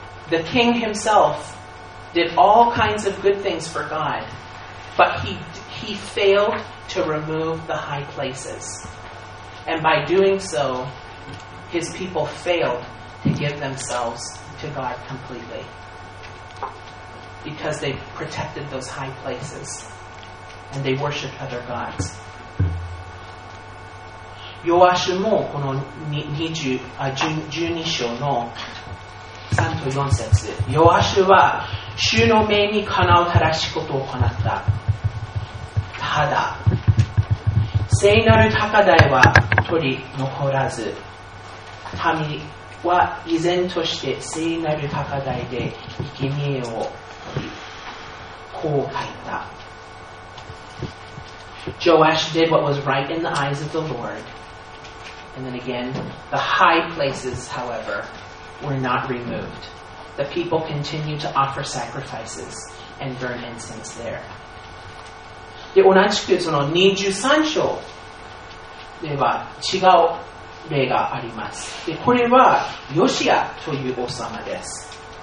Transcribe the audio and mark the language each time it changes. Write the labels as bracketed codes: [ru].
[en] The king himself did all kinds of good things for God, but he failed to remove the high places. And by doing so, his people failed to give themselves to God completely. because they protected those high places and they worshiped other gods. [ja] ヨアシュもこの12章の3と4節、ヨアシュは主の目にかなう正しいことを行った。ただ聖なる高台は取り残らず、民は依然として聖なる高台で生贄を取り、こう書いた。 [en] Joash did what was right in the eyes of the Lord. And then again, the high places, however, were not removed. The people continued to offer sacrifices and burn incense there. [ja] で、同じくその23章では違う例があります。でこれはヨシアという王様です。